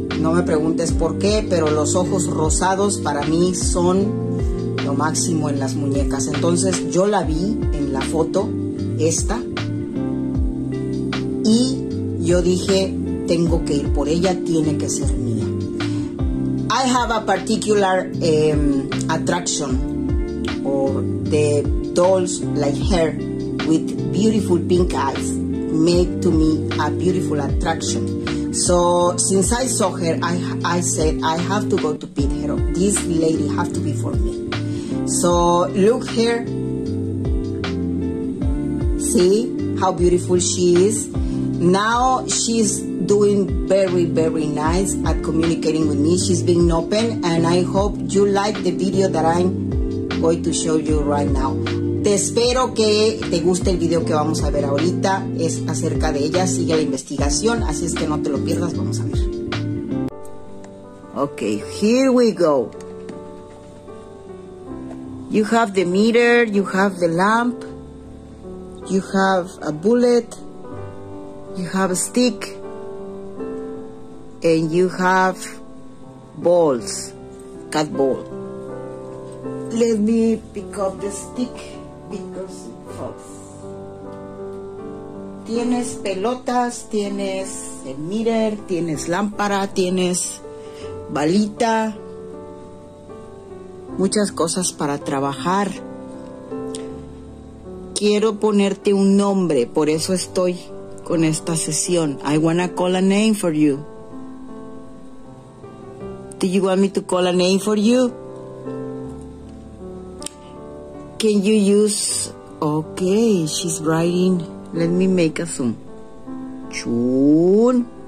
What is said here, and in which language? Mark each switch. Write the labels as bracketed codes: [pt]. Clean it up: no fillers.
[es] No me preguntes por qué, pero los ojos rosados para mí son lo máximo en las muñecas. Entonces yo la vi en la foto, esta, y yo dije, tengo que ir por ella, tiene que ser mía. [en] I have a particular attraction for the dolls like her with beautiful pink eyes make to me a beautiful attraction. So since I saw her, I said, I have to go to pick her up. This lady has to be for me. So look here. See how beautiful she is. Now she's doing very, very nice at communicating with me. She's being open, and I hope you like the video that I'm going to show you right now. [es] Te espero que te guste el video que vamos a ver ahorita. Es acerca de ella, sigue la investigación, así es que no te lo pierdas, vamos a ver. [en] Okay, here we go. You have the meter, you have the lamp, you have a bullet, you have a stick, and you have balls, cat ball. Let me pick up the stick because it falls. [es] Tienes pelotas, tienes a meter, tienes lámpara, tienes balita. Muchas cosas para trabajar. Quiero ponerte un nombre, por eso estoy con esta sesión. [en] I wanna call a name for you. Do you want me to call a name for you? Can you use... Okay, she's writing. Let me make a zoom. Chun.